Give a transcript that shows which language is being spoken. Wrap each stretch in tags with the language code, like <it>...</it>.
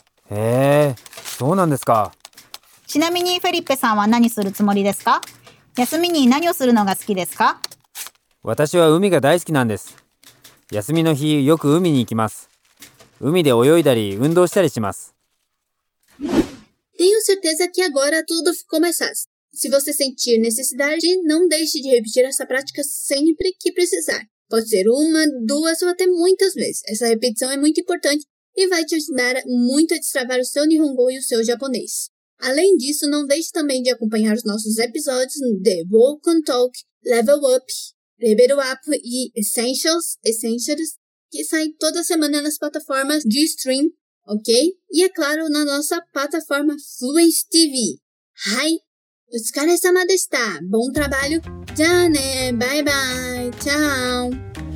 <ja>へえ、そうなんですか。ちなみにフェリッペさんは何するつもりですか?休みに何をするのが好きですか? 私は海が大好きなんです。休みの日、よく海に行きます。海で泳いだり、運動したりします。</ja> <pt>Tenho certeza que agora tudo ficou mais fácil. Se você sentir necessidade, não deixe de repetir essa prática sempre que precisar. Pode ser uma, duas ou até muitas vezes. Essa repetição é muito importante e vai te ajudar muito a destravar o seu Nihongo e o seu japonês. Além disso, não deixe também de acompanhar os nossos episódios de Walk and Talk, Level Up, Level Up e Essentials, Essentials, que saem toda semana nas plataformas de stream, ok? E é claro, na nossa plataforma Fluence TV.</pt> <en>Hi!</en> <ja>お疲れ様でした。 Bom trabalho. じゃあね。バイバイ。チャオ。</ja>